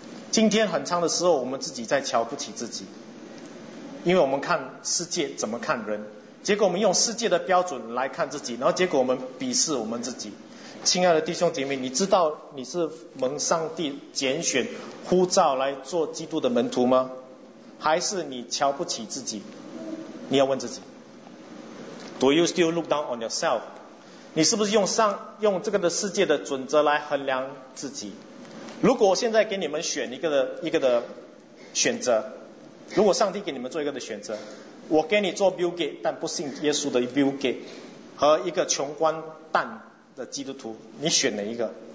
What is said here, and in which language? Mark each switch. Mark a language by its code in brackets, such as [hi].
[zh] 今天很长的时候，我们自己在瞧不起自己，因为我们看世界怎么看人，结果我们用世界的标准来看自己，然后结果我们鄙视我们自己。亲爱的弟兄姐妹，你知道你是蒙上帝拣选呼召来做基督的门徒吗？还是你瞧不起自己？你要问自己 [en] Do you still look down on yourself? [zh] 你是不是用这个的世界的准则来衡量自己？如果我现在给你们选一个的选择，如果上帝给你们做一个的选择，我给你做 Bill Gates 但不信耶稣的 Bill Gates 和一个穷光蛋的基督徒，你选哪一个？